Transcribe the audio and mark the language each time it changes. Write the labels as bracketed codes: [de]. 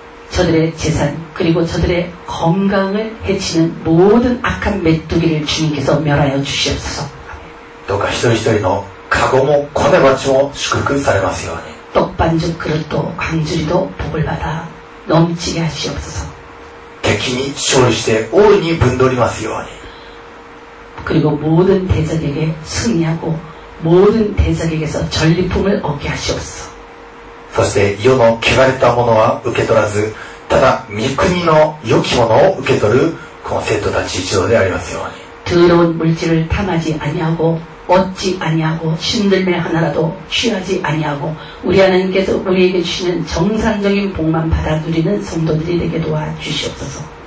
[ko] 저들의재산그리고저들의건강을해치는모든악한메뚜기를주님께서멸하여주시옵소서。 [ja] どうか一人一人のカゴもコネバチも祝福されますように。 [ko] 떡반죽그릇도광주리도복을받아넘치게하시옵소서。 [ja] 敵に勝利して大いにぶんどりますように。 [ko] 그리고모든대적에게승리하고모든대적에게서전리품을얻게하시옵소 서。 [ja] そして世の汚れたものは受け取らず、ただ御国の良きものを受け取るこの生徒たち一同でありますように。 [ko] 더러운물질을탐하지아니하고얻지아니하고신들매하나라도취하지아니하고우리하나님께서우리에게주시는정상적인복만받아누리는성도들이되게도와주시옵소서。